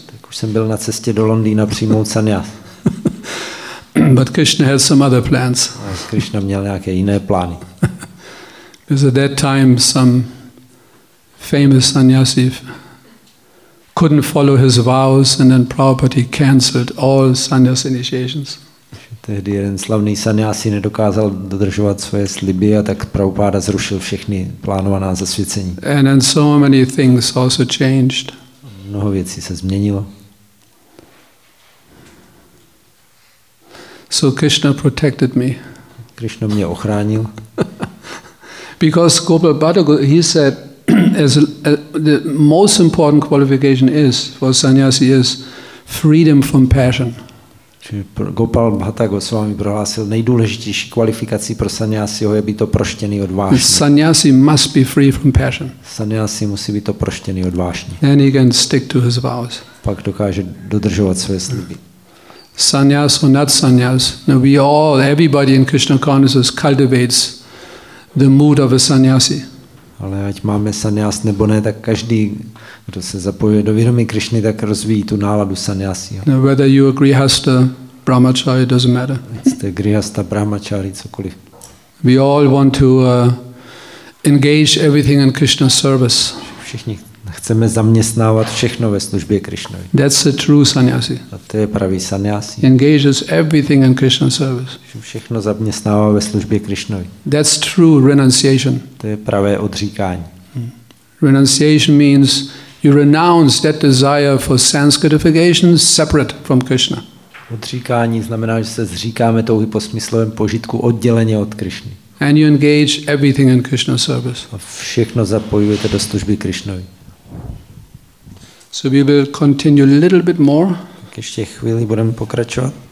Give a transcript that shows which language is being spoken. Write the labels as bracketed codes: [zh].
[cs] Tak už jsem byl na cestě do Londýna přijmout sannyas. [en] But Krishna had some other plans. [cs] Krishna měl nějaké jiné plány. [en] Because at that time some famous sannyasi couldn't follow his vows and then Prabhupada cancelled all sannyas initiations. [cs] Tehdy jeden slavný sannyasi nedokázal dodržovat svoje sliby a tak Prabhupada zrušil všechny plánovaná zasvěcení. [en] And then so many things also changed. [cs] Mnoho věcí se změnilo. [en] So Krishna protected me. [cs] Krishna mě ochránil. [en] Because Gopal Bhatta, he said, the most important qualification is for sannyasi is freedom from passion. [cs] Gopal Bhatta Goswami prohlásil, nejdůležitější kvalifikací pro sannyasiho je být oproštěný od vášně. [en] Sannyasi must be free from passion. [cs] Sannyasi musí být oproštěný od vášně. [en] Then he can stick to his vows. [cs] Pak dokáže dodržovat své sliby. [en] Sannyas or not sannyas, no, we all, everybody in Krishna consciousness cultivates the mood of a sannyasi. [cs] Ale ať máme sannyas nebo ne, tak každý, kdo se zapojuje do vědomí Krišny, tak rozvíjí tu náladu sannyasi. [en] No, whether you are grihastha, brahmachari, it doesn't matter. [cs] Jste grihastha, brahmachari, cokoliv. [en] We all want to engage everything in Krishna's service. [cs] Všichni chceme zaměstnávat všechno ve službě Krišnovi. [en] That's the true sannyasi. [cs] A to je pravý sannyasi. [en] Engages everything in Krishna's service. [cs] Všechno zaměstnává ve službě Krišnovi. [en] That's true renunciation. [cs] To je pravé odříkání. [en] Renunciation means you renounce that desire for sense gratification separate from Krishna. [cs] Odříkání znamená, že se zříkáme touhy po smyslovém požitku odděleně od Krišny. [en] And you engage everything in Krishna's service. [cs] A všechno zapojujete do služby Krišnovi. [en] So we will continue a little bit more. [cs] Tak ještě chvíli budeme pokračovat.